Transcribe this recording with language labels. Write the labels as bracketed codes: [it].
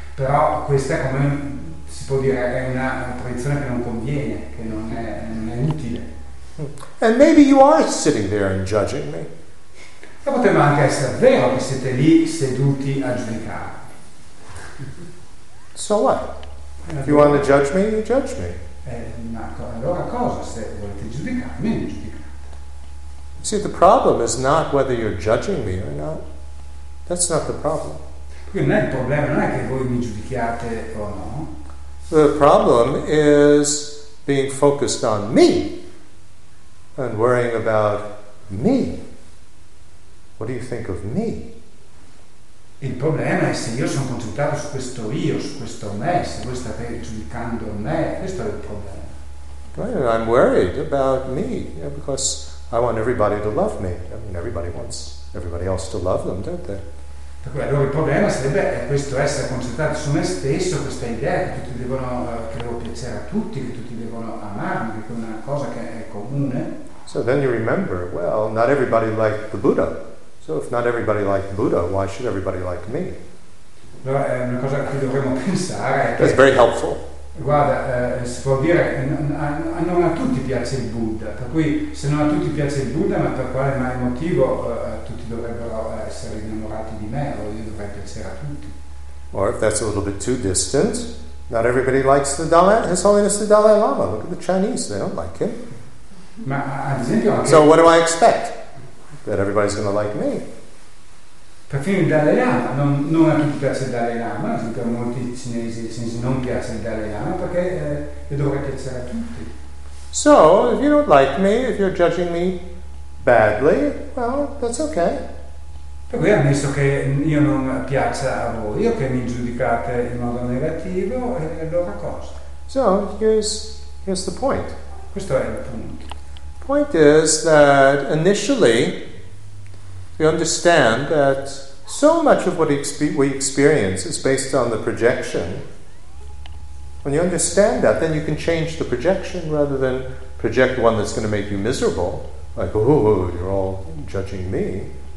[it] Però questa, come si può dire, è una proiezione che non conviene, che non è utile. [en] And maybe you are sitting there and judging me. [it] E potrebbe anche essere vero che siete lì seduti a giudicarmi. [en] So what? If you want to judge me, you judge me. [it] Allora cosa? Se volete giudicarmi, giudicate. [en] See, the problem is not whether you're judging me or not. That's not the problem. [it] Quindi non è il problema, non è che voi mi giudichiate o no. [en] The problem is being focused on me and worrying about me. What do you think of me? [it] Il problema è se io sono concentrato su questo io, su questo me, se voi state giudicando me, questo è il problema. [en] Right, and I'm worried about me, yeah, because I want everybody to love me. I mean, everybody wants everybody else to love them, don't they? [it] Per cui allora il problema sarebbe questo essere concentrato su me stesso, questa idea che tutti devono, che devo piacere a tutti, che tutti devono amarmi, che è una cosa che è comune. [en] So then you remember, well, not everybody liked the Buddha. So if not everybody liked Buddha, why should everybody like me? [it] Una cosa che dovremmo pensare è che, [en] that's very helpful. [it] Guarda, si può dire che non a tutti piace il Buddha, per cui se non a tutti piace il Buddha, ma per quale mai motivo tutti dovrebbero essere innamorati di me, o io dovrei piacere a tutti? [en] Or if that's a little bit too distant, not everybody likes the Dalai, His Holiness the Dalai Lama. Look at the Chinese, they don't like him. [it] Ma ad esempio anche, [en] so what do I expect? That everybody's going to like me. [it] Perfino il Dalai Lama, non a tutti piace il Dalai Lama, anche a molti cinesi non piace il Dalai Lama, perché dovrebbe piacere a tutti. [en] So, if you don't like me, if you're judging me badly, well, that's okay. [it] Per cui ammesso che io non piaccia a voi, o che mi giudicate in modo negativo, è allora cosa? [en] So, here's the point. [it] Questo è il punto. [en] Point is that initially we understand that so much of what we experience is based on the projection. When you understand that, then you can change the projection rather than project one that's going to make you miserable, like, oh, you're all judging me.